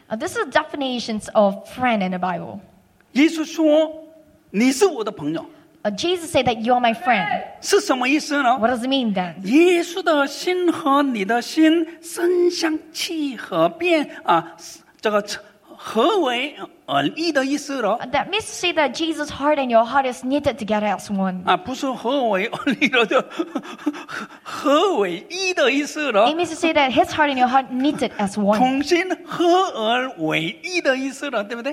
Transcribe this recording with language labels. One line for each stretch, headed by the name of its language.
English: This is definitions of friend in the Bible.
Chinese: 耶稣说你是我的朋友.
English: Jesus said that you are my friend.
Chinese: 是什么意思呢?
English: What does it mean then?
Chinese: 耶稣的心和你的心身相契合变 这个合为而立的意思了.
English: That means to say that Jesus' heart and your heart is knitted together as one.
Chinese: 不是合为而立的，合为一的意思了.
English: It means to say that his heart and your heart knitted as one.
Chinese: 同心合而为一的意思了，对不对？